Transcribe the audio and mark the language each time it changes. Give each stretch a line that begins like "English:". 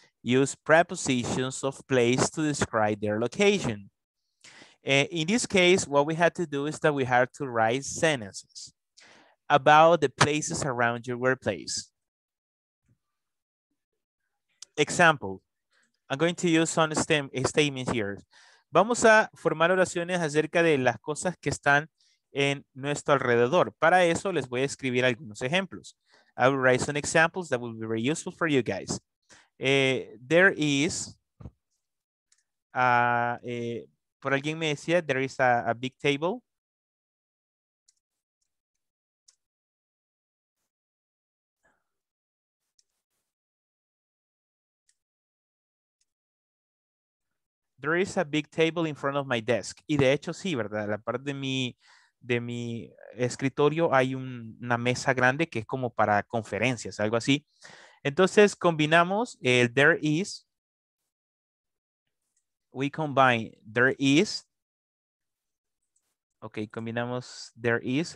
English: Use prepositions of place to describe their location. In this case, what we had to do is that we had to write sentences about the places around your workplace. Example, I'm going to use some statements here.
Spanish: Vamos a formar oraciones acerca de las cosas que están en nuestro alrededor. Para eso, les voy a escribir algunos ejemplos.
English: I will write some examples that will be very useful for you guys.
Spanish: Por alguien me decía,
English: there is a big table. There is a big table in front of my desk.
Spanish: Y de hecho, sí, ¿verdad? La parte de mi escritorio hay una mesa grande que es como para conferencias, algo así. Entonces, combinamos el there is.
English: We combine there is. Ok, combinamos there is.